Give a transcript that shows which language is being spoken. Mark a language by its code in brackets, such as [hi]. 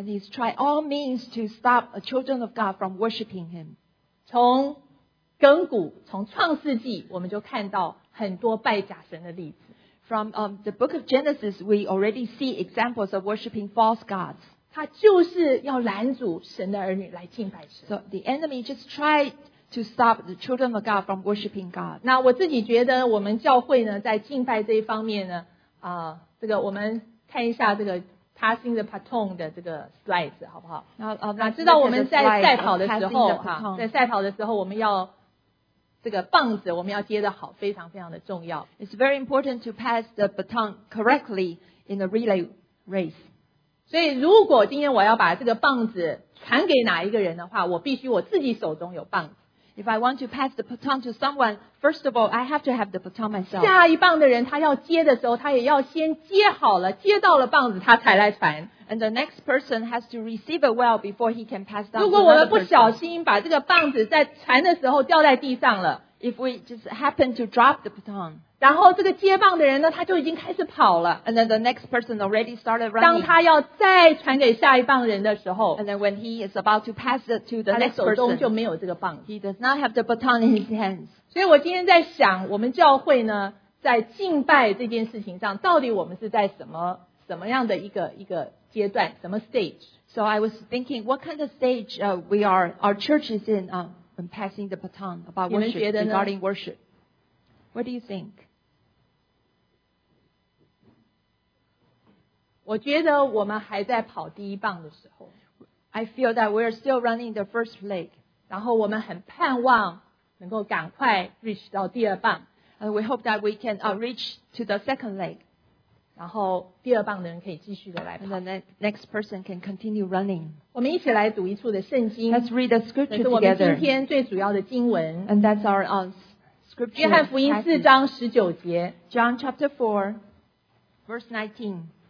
[en] And he's tried all means to stop a children of God from worshiping him. [zh] 从亘古，从创世纪，我们就看到很多拜假神的例子。 [en] From the book of Genesis, we already see examples of worshiping false gods. [zh] 他就是要拦阻神的儿女来敬拜神。 [en] So the enemy just tried to stop the children of God from worshiping God. [zh] 那我自己觉得我们教会呢，在敬拜这一方面呢，这个我们看一下这个 [en] passing the baton [zh] 的这个 slides 好不好？那知道我们在赛跑的时候，在赛跑的时候，我们要这个棒子我们要接得好，非常非常的重要。 [en] It's very important to pass the baton correctly in the relay race. [zh] 所以如果今天我要把这个棒子传给哪一个人的话，我必须我自己手中有棒子。 [en] If I want to pass the baton to someone, first of all, I have to have the baton myself. [zh] 下一棒的人他要接的时候，他也要先接好了，接到了棒子他才来传。 [en] And the next person has to receive it well before he can pass down. [zh] 如果我们不小心把这个棒子在传的时候掉在地上了， [en] if we just happen to drop the baton, [zh] 然后这个接棒的人呢，他就已经开始跑了。 [en] And then the next person already started running. [zh] 当他要再传给下一棒人的时候， [en] and then when he is about to pass it to the next person, [zh] 他的手中就没有这个棒。 [en] He does not have the baton in his hands. [zh] 所以我今天在想，我们教会呢，在敬拜这件事情上，到底我们是在什么样的一个阶段，什么 stage? [en] So I was thinking, what kind of stage we are, our church is in when passing the baton about worship, regarding worship. What do you think? [zh] 我觉得我们还在跑第一棒的时候。 [en] I feel that we are still running the first leg. [zh] 然后我们很盼望能够赶快 reach 到第二棒。 [en] And we hope that we can reach to the second leg. [zh] 然后第二棒的人可以继续的来跑。 [en] And the next person can continue running. [zh] 我们一起来读一处的圣经。 [en] Let's read the scripture together. [zh] 这是我们今天最主要的经文。 [en] And that's our scripture. [zh] 约翰福音四章十九节。 [en] John chapter 4, verse 19.